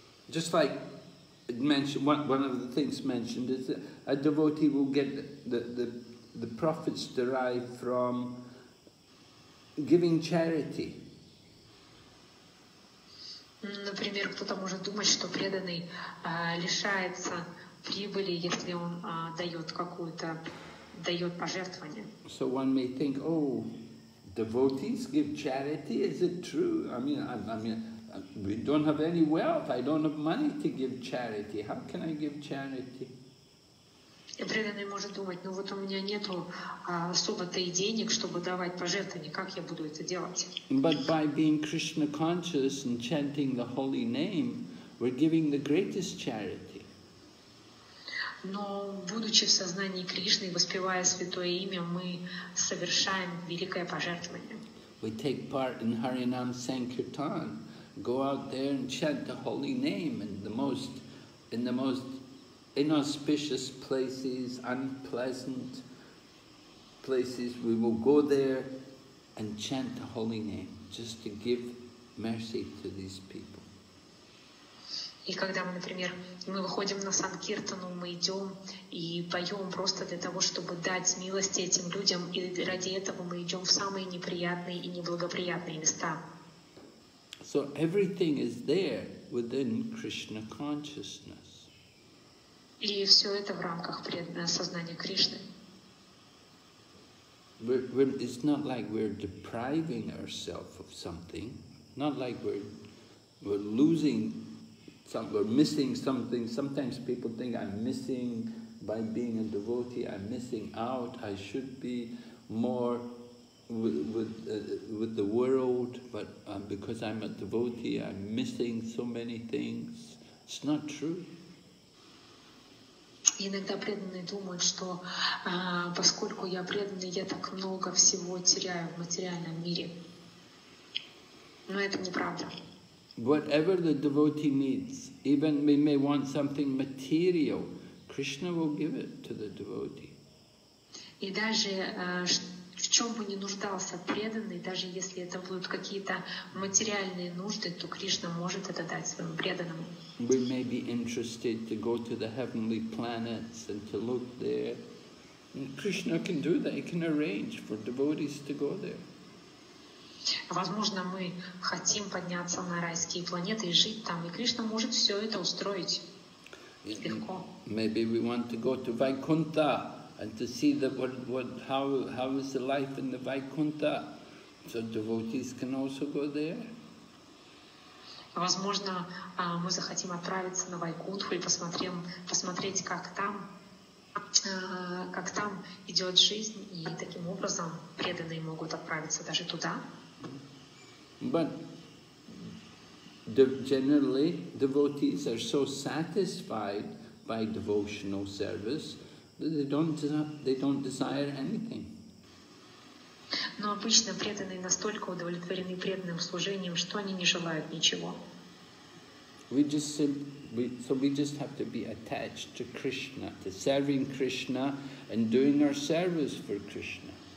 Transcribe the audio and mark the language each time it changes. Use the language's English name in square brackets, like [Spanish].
[English] Just like mentioned, one of the things mentioned is that a devotee will get the profits derived from giving charity. [Russian] Например, кто-то может думать, что преданный лишается прибыли, если он дает пожертвование. [English] So one may think, oh, devotees give charity, is it true? I mean, we don't have any wealth, I don't have money to give charity, how can I give charity? [Russian] И преданный может думать, ну вот у меня нету особо-то и денег, чтобы давать пожертвования, как я буду это делать? [English] But by being Krishna conscious and chanting the holy name, we're giving the greatest charity. [Russian] Но, будучи в сознании Кришны, воспевая Святое Имя, мы совершаем великое пожертвование. [English] We take part in Harinam Sankirtan. Go out there and chant the holy name in the most inauspicious places, unpleasant places. We will go there and chant the holy name, just to give mercy to these people. [Russian] И когда мы, например, мы выходим на Санкиртану, мы идем и поем просто для того, чтобы дать милости этим людям, и ради этого мы идем в самые неприятные и неблагоприятные места. [English] So everything is there within Krishna consciousness. [Russian] И все это в рамках сознания Кришны. [English] It's not like we're depriving ourselves of something, not like we're losing something, we're missing something. Sometimes people think I'm missing by being a devotee, I'm missing out, I should be more with the world, but because I'm a devotee, I'm missing so many things. It's not true. [Russian] Иногда преданные думают, что поскольку я преданный, я так много всего теряю в материальном мире. Но это неправда. [English] Whatever the devotee needs, even we may want something material, Krishna will give it to the devotee. [Russian] И даже в чем бы ни нуждался преданный, даже если это будут какие-то материальные нужды, то Кришна может это дать своему преданному. [English] We may be interested to go to the heavenly planets and to look there. And Krishna can do that. He can arrange for devotees to go there. [Russian] Возможно, мы хотим подняться на райские планеты и жить там, и Кришна может все это устроить. Легко. [English] Maybe we want to go to Vaikuntha and to see that how is the life in the Vaikuntha, so devotees can also go there. [Russian] Возможно, мы захотим отправиться на Вайкунтху и посмотреть, как там идет жизнь, и таким образом преданные могут отправиться даже туда. [English] But generally, devotees are so satisfied by devotional service that they don't desire anything. [Russian] Но обычно преданные настолько удовлетворены преданным служением, что они не желают ничего. [English] We just have to be attached to Krishna, to serving Krishna and doing our service for Krishna.